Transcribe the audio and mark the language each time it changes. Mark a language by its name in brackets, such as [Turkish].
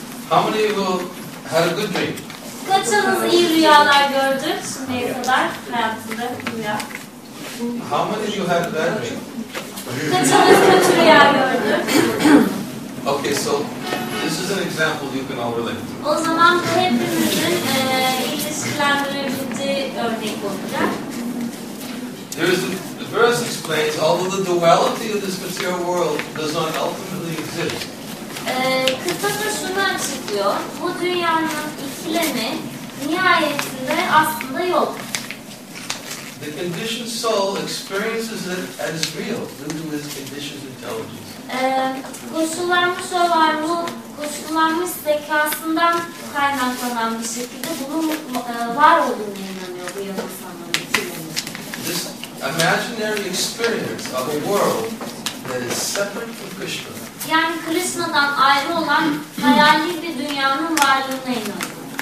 [English] How many of you had a good dream? [Turkish] Kaçınız iyi rüyalar gördü şimdiye kadar hayatında rüya? [English] How many of you had a bad dream? [Turkish] Kaçınız kötü rüya gördü? [English] Okay, so this is an example you can all relate to. [Turkish] O zaman hepimizin ilişkilendirebileceği örnek olacak. [English] The verse explains, although the duality of this material world does not ultimately exist. [Turkish] Kısaca şunu açıklıyor. Bu dünyanın ikilemi nihayetinde aslında yok. [English] The conditioned soul experiences it as real due to its conditioned intelligence. [Turkish] Koşullanmış o varlığı, koşullanmış zekasından kaynaklanan bir şekilde bunun var olduğunu inanıyor bu yanılsamanın. [English] This imaginary experience of a world that is separate from Krishna. [Turkish] Yani Krishna'dan ayrı olan hayali bir dünyanın varlığına inanıyor.